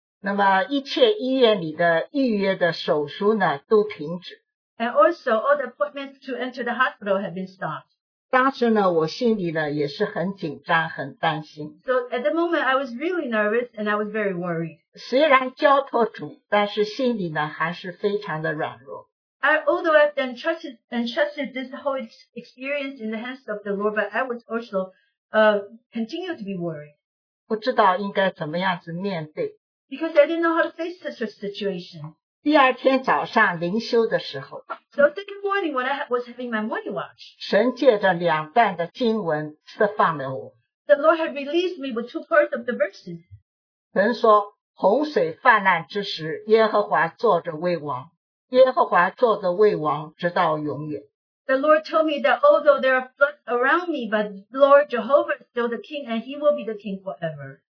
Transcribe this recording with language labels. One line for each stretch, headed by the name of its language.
Chinese: 那么一切医院里的预约的手术呢，都停止。
English: And also, all the appointments to enter the hospital have been stopped.
Chinese: 当时呢我心里呢也是很紧张很担心。
English: So at the moment I was really nervous and I was very worried.
Chinese: 虽然交托主但是心里呢还是非常的软弱。
English: Although I've entrusted this whole experience in the hands of the Lord, but I was also continue to be worried.
Chinese: 不知道应该怎么样子面对。
English: Because I didn't know how to face such a situation.
Chinese: 第二天早上灵修的时候。
English: So second morning when I was having my morning watch.
Chinese: 神借着两段的经文释放了我。
English: The Lord had released me with two parts of the verses.
Chinese: 神说洪水泛滥之时耶和华坐着为王。耶和华坐着为王直到永远。
English: The Lord told me that although there are floods around me, but Lord Jehovah is still the king and he will be the king forever.